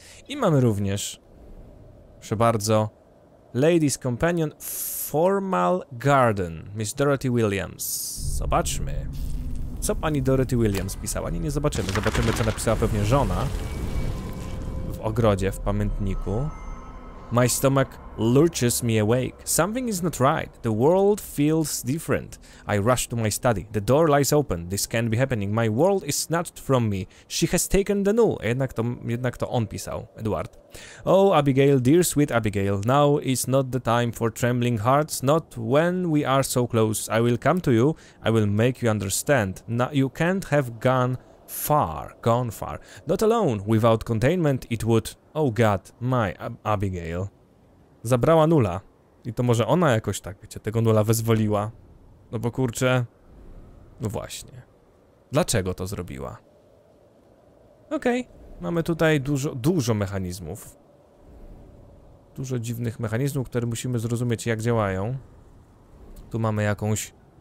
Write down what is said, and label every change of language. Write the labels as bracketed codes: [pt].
[pl] I mamy również, proszę bardzo, Ladies Companion Formal Garden, Miss Dorothy Williams. Zobaczmy, co pani Dorothy Williams pisała. Nie, nie zobaczymy. Zobaczymy, co napisała pewnie żona w ogrodzie, w pamiętniku. [en] My stomach lurches me awake. Something is not right. The world feels different. I rush to my study. The door lies open. This can't be happening. My world is snatched from me. She has taken the null. [pl] Jednak to on pisał, Edward. [en] Oh, Abigail, dear sweet Abigail, now is not the time for trembling hearts. Not when we are so close. I will come to you. I will make you understand. No, you can't have gone far, gone far. Not alone, without containment it would... Oh God, my Abigail. [pl] Zabrała nula. I to może ona jakoś tak, wiecie, tego nula wyzwoliła. No bo kurczę... No właśnie. Dlaczego to zrobiła? Okej, okay. Mamy tutaj dużo, dużo mechanizmów. Dużo dziwnych mechanizmów, które musimy zrozumieć, jak działają. Tu mamy jakąś...